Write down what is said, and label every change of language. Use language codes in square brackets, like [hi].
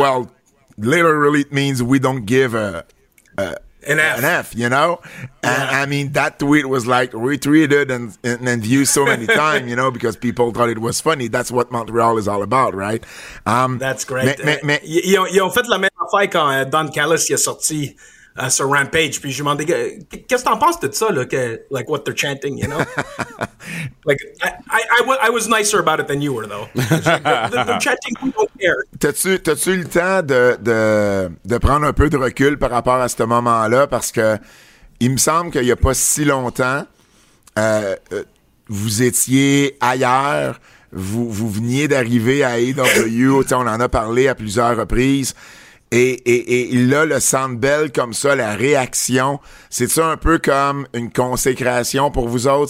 [en] Well, literally it means we don't give an F, you know? And yeah. I mean, that tweet was like retweeted and viewed so many times, you know, because people thought it was funny. That's what Montreal is all about, right? That's great. [fr] Ils ont fait la même affaire quand Don Callis est sorti sur Rampage. Puis je m'en dis, qu'est-ce que t'en penses de ça, là, que, [en] like what they're chanting, you know? Like, I was nicer about it than you were, though. They're chanting, we don't care. [fr] T'as-tu le temps de prendre un peu de recul par rapport à ce moment-là? Parce que il me semble qu'il n'y a pas si longtemps, vous étiez ailleurs, vous veniez d'arriver à AEW, on en a parlé à plusieurs reprises, et là, le Centre Bell comme ça, la réaction, c'est-tu un peu comme une consécration pour vous autres?